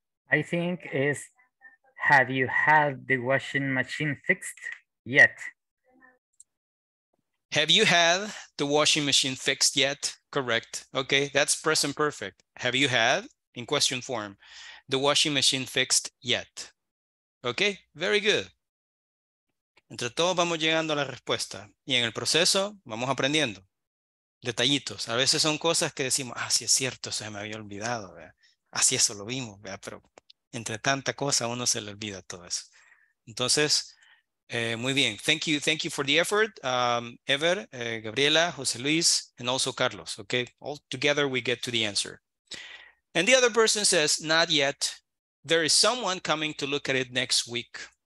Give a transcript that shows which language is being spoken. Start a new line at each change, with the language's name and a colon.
English: I think is, have you had the washing machine fixed yet? Have you had the washing machine fixed yet? Correct. Okay, that's present perfect. Have you had, in question form, the washing machine fixed yet? Okay, very good.
Spanish: Entre todos vamos llegando a la respuesta y en el proceso vamos aprendiendo detallitos. A veces son cosas que decimos, ah, sí es cierto, se me había olvidado, así eso lo vimos, ¿verdad? Pero entre tanta cosa uno se le olvida todo eso. Entonces, muy bien.
English: Thank you for the effort, Ever, Gabriela, José Luis, and also Carlos. Okay, all together we get to the answer. And the other person says, not yet. There is someone coming to look at it next week.